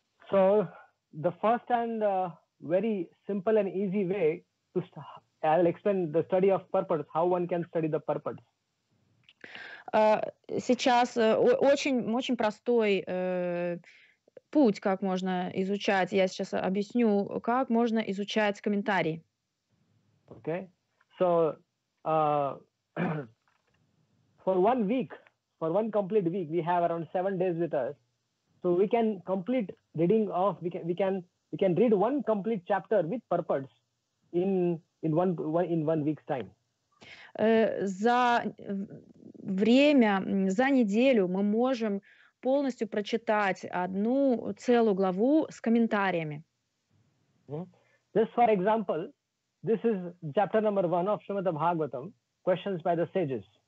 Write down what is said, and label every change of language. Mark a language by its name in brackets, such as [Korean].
[English] So, the first and very simple and easy way to I'll explain the study of purports, how one can study the purports. [Russian] Сейчас очень простой путь, как можно изучать. Я сейчас объясню, как можно изучать комментарии. [English] Okay. So, for 1 week, for 1 complete week, we have around 7 days with us. So we can complete reading of we can read 1 complete chapter with purports in one week's time. [Russian] За время, за неделю мы можем полностью прочитать одну целую главу с комментариями. [English] Just for example, this is chapter number 1 of Srimad Bhagavatam, questions by the sages.